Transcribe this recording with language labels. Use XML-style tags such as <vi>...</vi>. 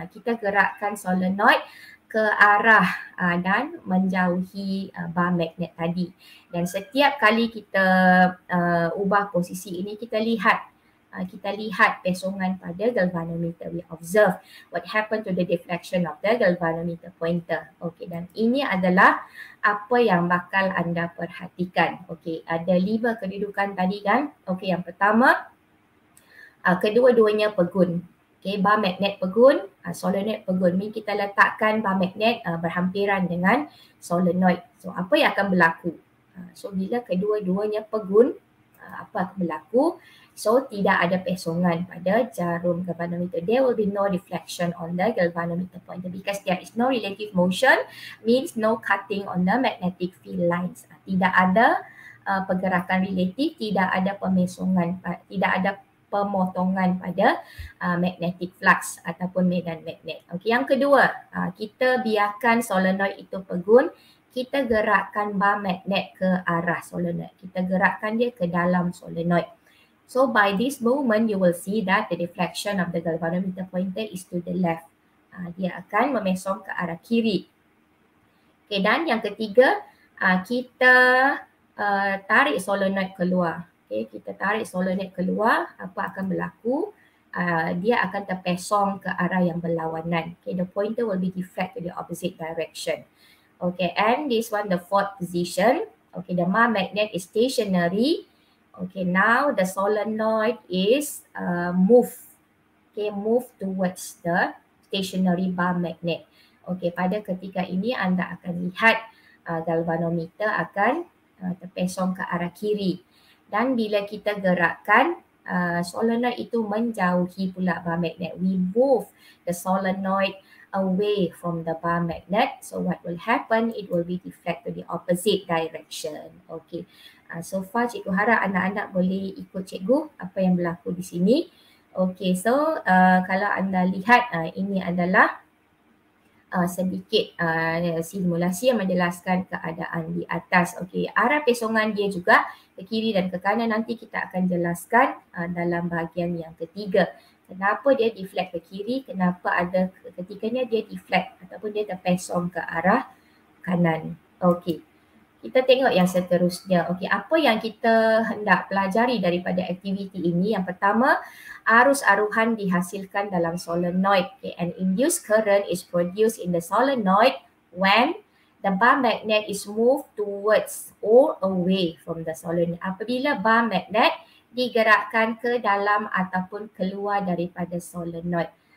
<ms>Kita gerakkan solenoid ke arah dan menjauhi bar magnet tadi. Dan setiap kali kita ubah posisi ini, kita lihat pesongan pada galvanometer.</ms> <en>We observe what happened to the deflection of the galvanometer pointer.</en> <ms>Okay, dan ini adalah apa yang bakal anda perhatikan. Okay, ada lima kedudukan tadi kan. Okay, yang pertama, kedua-duanya pegun. Okay, bar magnet pegun, solenoid pegun. Ini kita letakkan bar magnet berhampiran dengan solenoid. So, apa yang akan berlaku? So, bila kedua-duanya pegun, apa akan berlaku? So, tidak ada pesongan pada jarum galvanometer.</ms> <en>There will be no deflection on the galvanometer pointer because there is no relative motion, means no cutting on the magnetic field lines.</en> <ms>Tidak ada pergerakan relatif, tidak ada pemesongan, tidak ada pemotongan pada magnetic flux ataupun medan magnet. Okay, yang kedua, kita biarkan solenoid itu pegun. Kita gerakkan bar magnet ke arah solenoid. Kita gerakkan dia ke dalam solenoid.</ms> <en>So by this moment, you will see that the deflection of the galvanometer pointer is to the left.</en> <ms>Dia akan memesong ke arah kiri. Okay, dan yang ketiga, kita tarik solenoid keluar. Okay, kita tarik solenoid keluar, apa akan berlaku? Dia akan terpesong ke arah yang berlawanan.</ms> <en>Okay, the pointer will be deflect to the opposite direction. Okay, and this one, the fourth position. Okay, the bar magnet is stationary. Okay, now the solenoid is move. Okay, move towards the stationary bar magnet.</en> <ms>Okay, pada ketika ini anda akan lihat galvanometer akan terpesong ke arah kiri. Dan bila kita gerakkan, solenoid itu menjauhi pula bar magnet.</ms> <en>We move the solenoid away from the bar magnet. So what will happen, it will be deflect to the opposite direction. Okay. So far,</en> <ms>cikgu harap anak-anak boleh ikut cikgu apa yang berlaku di sini. Okay, so kalau anda lihat, ini adalah sedikit simulasi yang menjelaskan keadaan di atas. Okay, arah pesongan dia juga ke kiri dan ke kanan, nanti kita akan jelaskan dalam bahagian yang ketiga. Kenapa dia deflect ke kiri, kenapa ada ketikanya dia deflect ataupun dia terpesong ke arah kanan. Okay. Kita tengok yang seterusnya. Okey, apa yang kita hendak pelajari daripada aktiviti ini? Yang pertama, arus aruhan dihasilkan dalam solenoid.</ms> <en>Okay, an induced current is produced in the solenoid when the bar magnet is moved towards or away from the solenoid.</en> <ms>Apabila bar magnet digerakkan ke dalam ataupun keluar daripada solenoid.</ms>